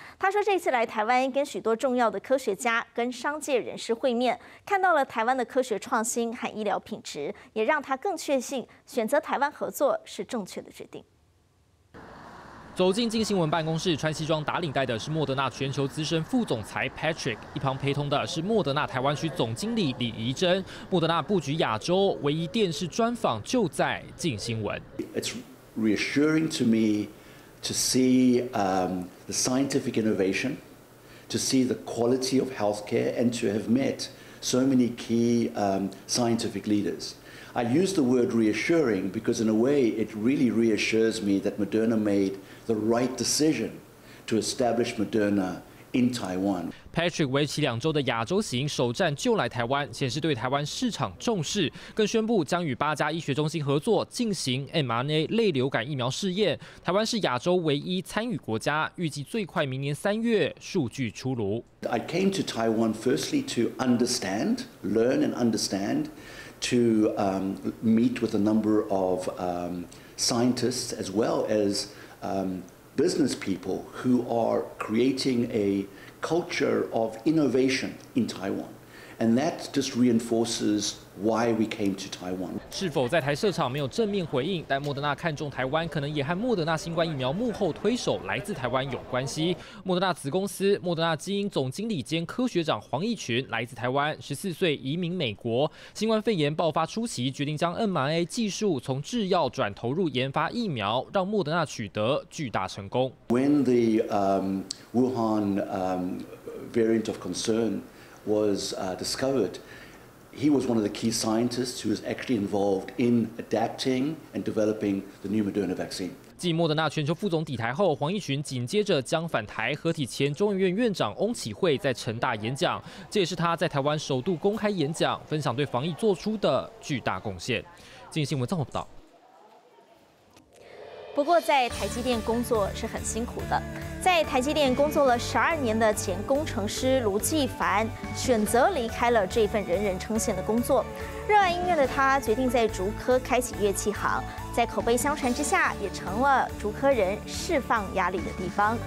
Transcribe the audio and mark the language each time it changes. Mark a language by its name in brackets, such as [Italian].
[Chinese] 他说，这次来台湾跟许多重要的科学家跟商界人士会面，看到了台湾的科学创新和医疗品质，也让他更确信选择台湾合作是正确的决定。走进镜新闻办公室，穿西装打领带的是莫德纳全球资深副总裁 Patrick， 一旁陪同的是莫德纳台湾区总经理李怡珍。莫德纳布局亚洲，唯一电视专访就在镜新闻。 [English] It's reassuring to me to see the scientific innovation, to see the quality of healthcare, and to have met so many key scientific leaders. I use the word reassuring because in a way it really reassures me that Moderna made the right decision to establish Moderna in Taiwan. [Chinese] Patrick 为期2周的亚洲行首站就来台湾，显示对台湾市场重视，更宣布将与8家医学中心合作进行 mRNA 类流感疫苗试验。台湾是亚洲唯一参与国家，预计最快明年3月数据出炉。 [English] I came to Taiwan firstly to understand, learn and understand. To meet with a number of scientists as well as business people who are creating a culture of innovation in Taiwan. And that just reinforces why we came to Taiwan. [Chinese] 是否在台设厂没有正面回应，但莫德纳看中台湾，可能也和莫德纳新冠疫苗幕后推手来自台湾有关系。莫德纳子公司莫德纳基因总经理兼科学长黄奕群来自台湾，14岁移民美国，新冠肺炎爆发初期决定将 mRNA 技术从制药转投入研发疫苗，让莫德纳取得巨大成功。 [English] When the Wuhan variant of concern was discovered. He was one of the key scientists who was actually involved in adapting and developing the new Moderna vaccine. [Chinese] 继莫德纳全球副总抵台后，黄奕群紧接着将返台，合体前中研院院长翁启惠在成大演讲，这也是他在台湾首度公开演讲，分享对防疫做出的巨大贡献。镜新闻综合报道。不过在台积电工作是很辛苦的。在台积电工作了12年的前工程师卢继凡选择离开了这份人人称羡的工作，热爱音乐的他决定在竹科开启乐器行，在口碑相传之下，也成了竹科人释放压力的地方。